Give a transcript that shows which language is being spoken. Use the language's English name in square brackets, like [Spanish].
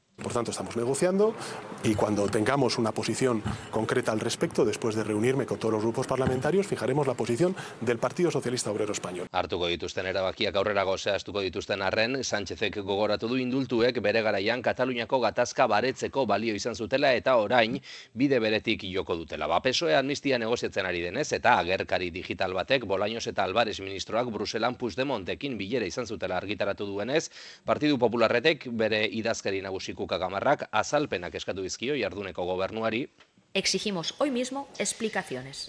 [Spanish] Por tanto, estamos negociando y cuando tengamos una posición concreta al respecto, después de reunirme con todos los grupos parlamentarios, fijaremos la posición del Partido Socialista Obrero Español. [Basque] Hartuko dituzten erabakiak aurrerago zehaztuko dituzten arren, Sánchezek gogoratu du indultuek bere garaian Kataluniako gatazka baretzeko balio izan zutela eta orain bide beretik joko dutela. PSOE amnistia negoziatzen ari denez eta agerkari digital batek Bolaños eta Álvarez ministroak Bruselan Puigdemontekin bilera izan zutela argitaratu duenez, Partidu Popularretek bere idazkari nagusi Kuka Gamarrak azalpenak eskatu dizkio jarduneko gobernuari. [Spanish] Exigimos hoy mismo explicaciones.